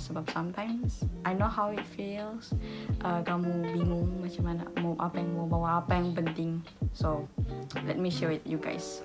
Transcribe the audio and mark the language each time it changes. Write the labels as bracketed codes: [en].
[ms] Sebab [en] sometimes I know how it feels. [ms] Kamu bingung macam mana mau apa yang mau bawa, apa yang penting. [en] So let me share with you guys.